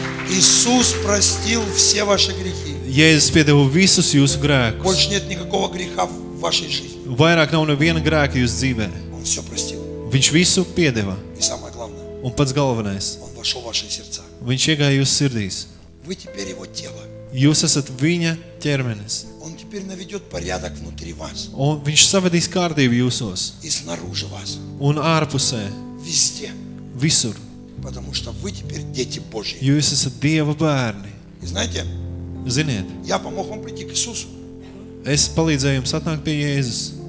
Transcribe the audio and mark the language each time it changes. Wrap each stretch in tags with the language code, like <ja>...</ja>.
<ru>Иисус простил все ваши грехи.</ru> <lv>Jēzus piedeva visus jūsu grēkus.</lv> <ru>Больше нет никакого греха в вашей жизни.</ru> <lv>Vairāk nav neviena grēka jūsu dzīvē.</lv> <ru>Он все простил.</ru> <lv>Viņš visu piedeva.</lv> <ru>И самое главное.</ru> <lv>Un pats galvenais.</lv> <ru>Он вошел в ваши сердца.</ru> <lv>Viņš iegāja jūsu sirdīs.</lv> <ru>Вы теперь его тело.</ru> <lv>Jūs esat viņa ķermenis.</lv> <ru>Он теперь наведет порядок внутри вас.</ru> <lv>Un viņš savedīs kārtību jūsos.</lv> <ru>И снаружи вас.</ru> <lv>Un ārpusē.</lv> <ru>Везде.</ru> <lv>Visur.</lv> <ru>Потому что вы теперь дети Божьи.</ru> <lv>Jūs esat Dieva bērni.</lv> <ru>Знаете?</ru> <lv>Ziniet.</lv> <ru>Я помог вам прийти к Иисусу.</ru> <lv>Es palīdzēju jums atnākt pie Jēzus.</lv>